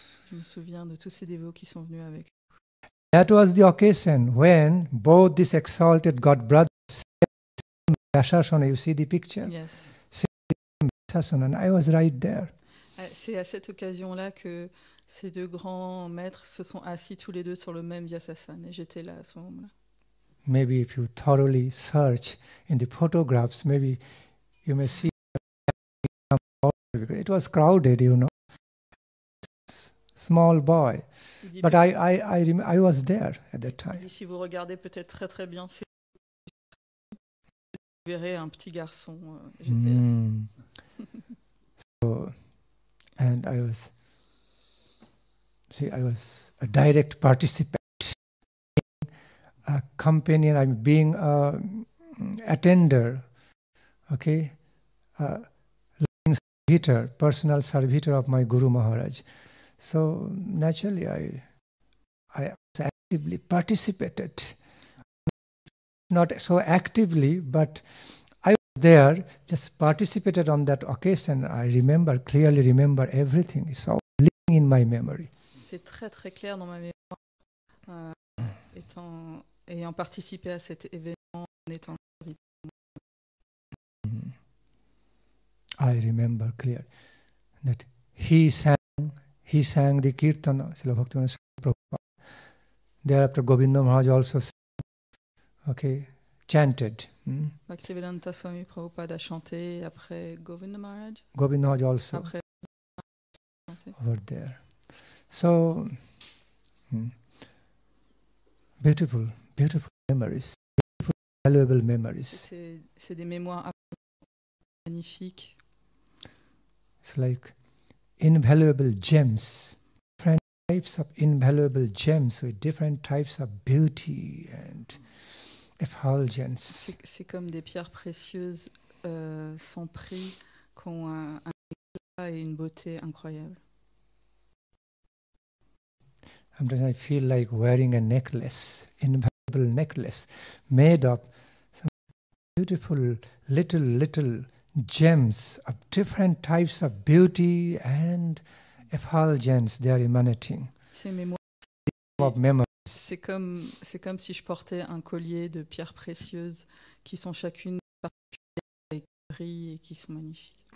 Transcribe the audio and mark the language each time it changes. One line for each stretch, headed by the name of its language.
French: Je me souviens de tous ces dévots qui sont venus avec nous.
English: That was the occasion when both these exalted god brothers Vyasasana, you see the picture? Yes. And I was right there.
French: C'est à cette occasion-là que ces deux grands maîtres se sont assis tous les deux sur le même Vyasasana, et j'étais là à ce moment-là.
English: Maybe if you thoroughly search in the photographs, maybe you may see it was crowded, you know. Small boy. But I was there at that time.
French: Si vous regardez peut-être très très bien, vous verrez un petit garçon. J'étais là.
English: So, and I was. See, I was a direct participant, a companion. I'm being a attender, a living servitor, personal servitor of my Guru Maharaj. So naturally, I actively participated. Not so actively, but I was there, just participated on that occasion. I remember clearly. Remember everything. It's all living in my memory.
French: C'est très très clair dans ma mémoire, ayant participé à cet événement en étant invité.
English: I remember clear that he sang the kirtana, Srila Bhaktivedanta Swami Prabhupada. Thereafter, Govinda Maharaj also sang, chanted.
French: Bhaktivedanta Swami Prabhupada a chanté, après Govinda Maharaj.
English: Govinda Maharaj also.
French: Après
English: over there. So, beautiful, beautiful memories, beautiful, valuable memories.
French: C'est des mémoires magnifiques.
English: It's like invaluable gems, different types of invaluable gems with different types of beauty and effulgence.
French: C'est comme des pierres précieuses sans prix qui ont un éclat et une beauté incroyable.
English: Sometimes I feel like wearing a necklace, invaluable necklace, made of some beautiful little gems of different types of beauty and effulgence they are emanating.
French: C'est mes mémoires. C'est comme si je portais un collier de pierres précieuses qui sont chacune particulières et qui brillent et qui sont magnifiques.